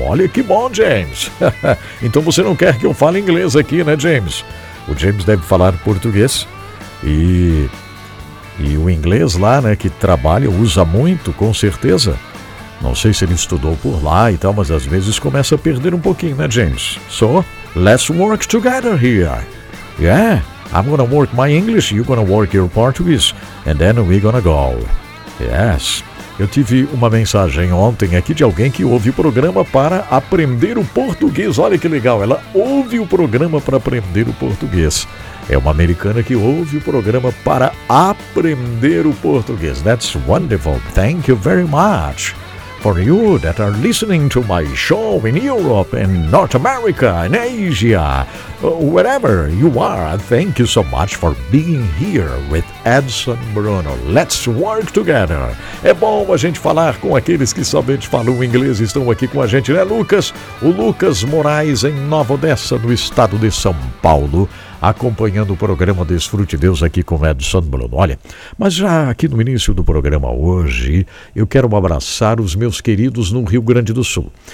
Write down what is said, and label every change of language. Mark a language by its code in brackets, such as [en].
[pt] Olha que bom, James. Então você não quer que eu fale inglês aqui, né, James? O James deve falar português e o inglês lá, né, que trabalha, usa muito, com certeza. Não sei se ele estudou por lá e tal, mas às vezes começa a perder um pouquinho, né, James? [en] So, let's work together here. Yeah? I'm gonna work my English, you're gonna work your Portuguese, and then we're gonna go. Yes. [pt] Eu tive uma mensagem ontem aqui de alguém que ouve o programa para aprender o português. Olha que legal, ela ouve o programa para aprender o português. É uma americana que ouve o programa para aprender o português. [en] That's wonderful. Thank you very much. For you that are listening to my show in Europe, in North America, in Asia, wherever you are, thank you so much for being here with Edson Bruno. Let's work together. [pt] É bom a gente falar com aqueles que somente falam inglês e estão aqui com a gente, né, Lucas? O Lucas Moraes, em Nova Odessa, no estado de São Paulo, acompanhando o programa Desfrute Deus aqui com Edson Bruno. Olha, mas já aqui no início do programa hoje, eu quero abraçar os meus queridos no Rio Grande do Sul.